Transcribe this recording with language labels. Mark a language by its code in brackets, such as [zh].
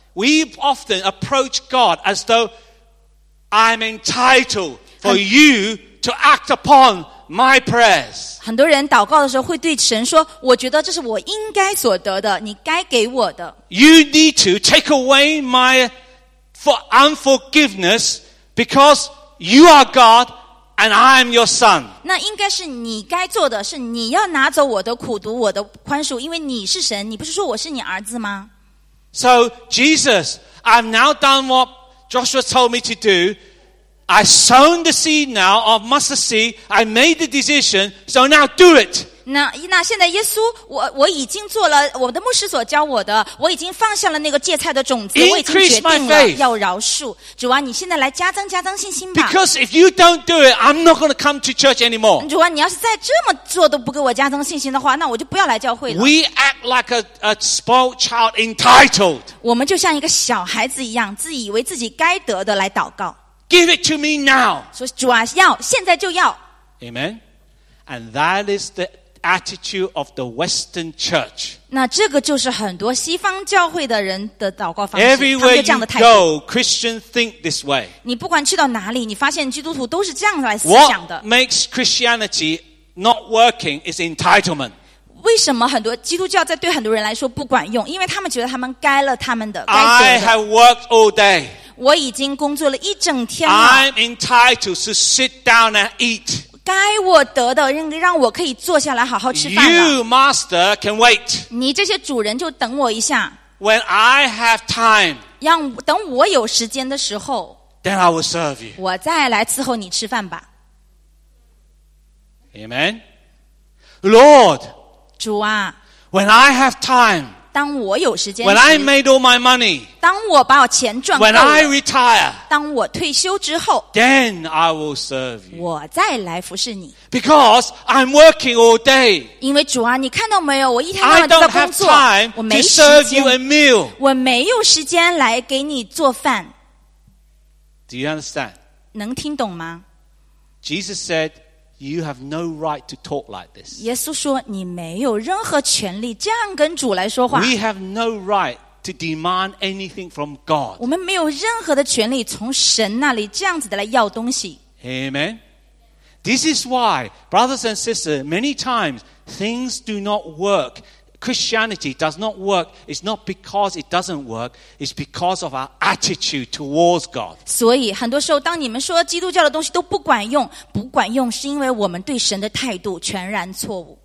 [en] We often approach God as though I'm entitled for you to act upon my prayers. [zh] 很多人祷告的时候会对神说，我觉得这是我应该所得的，你该给我的。 [en] You need to take away my unforgiveness because you are God. And I'm your son. [zh] 那应该是你该做的，是你要拿走我的苦毒，我的宽恕，因为你是神，你不是说我是你儿子吗？ [en] So Jesus, I've now done what Joshua told me to do. I sown the seed now of mustard seed. I made the decision. So now do it. [zh] 那现在耶稣，我已经做了我的牧师所教我的，我已经放下了那个芥菜的种子，我已经决定了要饶恕。主啊，你现在来加增信心吧。 [en] Because if you don't do it, I'm not going to come to church anymore. [zh] 主啊，你要是再这么做都不给我加增信心的话，那我就不要来教会了。 [en] We act like a spoiled child, entitled. [zh] 我们就像一个小孩子一样，自以为自己该得的来祷告。 [en] Give it to me now. [zh] 说主啊，要现在就要。 [en] Amen. And that is the. Attitude of the Western Church. [zh] 那这个就是很多西方教会的人的祷告方式。 [en] Everywhere you go, Christians think this way. [zh] 你不管去到哪里，你发现基督徒都是这样来思想的。 [en] What makes Christianity not working is entitlement. [zh] 为什么很多基督教在对很多人来说不管用？因为他们觉得他们该了他们的。 [en] I have worked all day. [zh] 我已经工作了一整天了。 [en] I'm entitled to sit down and eat. [zh] 该我得的，让我可以坐下来好好吃饭了。 [en] You, master, can wait. [zh] 你这些主人就等我一下。 [en] When I have time, [zh] 让等我有时间的时候。 [en] Then I will serve you. [zh] 我再来伺候你吃饭吧。 [en] Amen. Lord, [zh] 主啊。 [en] When I have time, [zh] 当我有时间。 [en] When I made all my money, [zh] 当我把我钱赚够 [en] 了。When I retire. [zh] 当我退休之后 [en] Then I will serve you. [zh] 我再来服侍你 [en] Because I'm working all day. [zh] 因为主啊你看到没有我一天到晚都在工作 [en] I don't have time [zh] 我没时间 [en] to serve you a meal. [zh] 我没有时间来给你做饭 [en] Do you understand? [zh] 能听懂吗 [en] Jesus said you have no right to talk like this. [zh] 耶稣说你没有任何权利这样跟主来说话 [en] We have no rightTo demand anything from God. [zh] 我们没有任何的权利从神那里这样子的来要东西。 [en] Amen. This is why, brothers and sisters, many times things do not work. Christianity does not work. It's not because it doesn't work. It's because of our attitude towards God. [zh] 所以很多时候，当你们说基督教的东西都不管用，不管用，是因为我们对神的态度全然错误。